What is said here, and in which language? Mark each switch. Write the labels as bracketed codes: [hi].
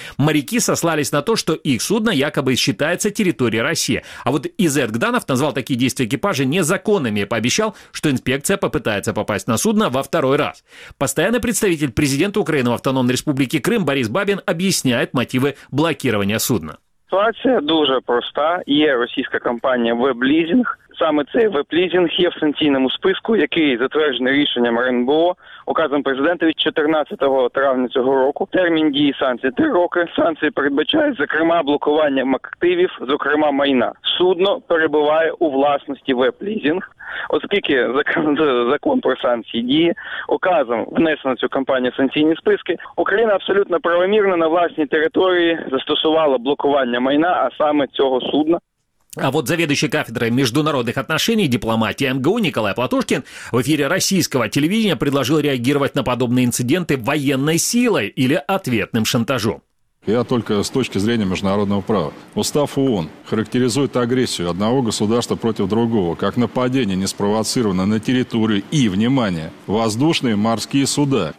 [ru] Моряки сослались на то, что их судно якобы считается территорией России. А вот Изет Гданов назвал такие действия экипажа незаконными и пообещал, что инспекция попытается попасть на судно во второй раз. Постоянный представитель президента Украины в Автономной Республике Крым Борис Бабин объясняет мотивы блокирования судна. [uk] Ситуація дуже проста. Є російська компанія «Веблізінг». Саме цей «Веблізінг» є в санкційному списку, який затверджений рішенням РНБО, указом президента від 14 травня цього року. Термін дії санкцій – 3 роки. Санкції передбачають, зокрема, блокування активів, зокрема, майна. Судно перебуває у власності «Веблізінг». Оскільки закон про санкції діє, указом внесено цю компанію в санкційні списки, Україна абсолютно правомірно на власній території застосувала блокування майна, а саме цього судна. [ru] А вот заведующий кафедрой международных отношений дипломатии МГУ Николай Платошкин в эфире российского телевидения предложил реагировать на подобные инциденты военной силой или ответным шантажом. Я только с точки зрения международного права. Устав ООН характеризует агрессию одного государства против другого как нападение, не спровоцированное на территорию и, внимание, воздушные морские суда.